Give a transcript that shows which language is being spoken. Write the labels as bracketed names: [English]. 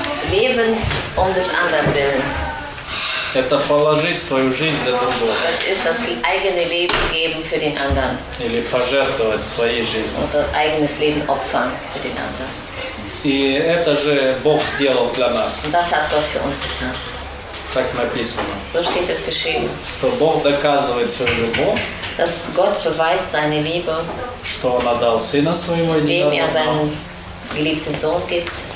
[German] Leben um des anderen willen. [Russian] Это положить свою жизнь за другого. [German] Das ist das eigene Leben geben für den anderen. [Russian] Или пожертвовать своей жизнью. [German] Oder eigenes Leben opfern für den anderen. [Russian] И это же Бог сделал для нас. [German] Das hat Gott für uns getan. [Russian] Так написано. [German] So steht es geschrieben. [Russian] Что Бог доказывает свою любовь. [German] Dass Gott beweist seine Liebe, [Russian] что он отдал сына своего [German] indem er seinen geliebten Sohn gibt,